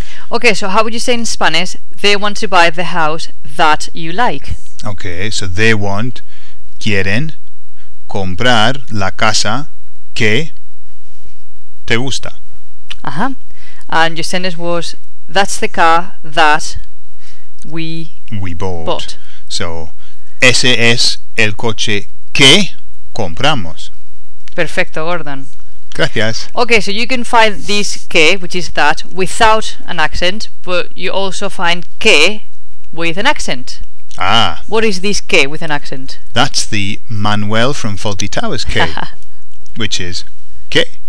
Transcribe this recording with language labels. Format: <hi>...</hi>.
<en>Okay, so how would you say in Spanish, they want to buy the house that you like? Okay, so they want,</en> <es>quieren comprar la casa que... te gusta.</es> <en>And your sentence was, that's the car that we bought.</en> <es>So, ese es el coche que compramos. Perfecto, Gordon. Gracias.</es> <en>Okay, so you can find this que, which is that, without an accent, but you also find que with an accent. Ah. What is this que with an accent? That's the Manuel from Fawlty Towers que, which is que.</en>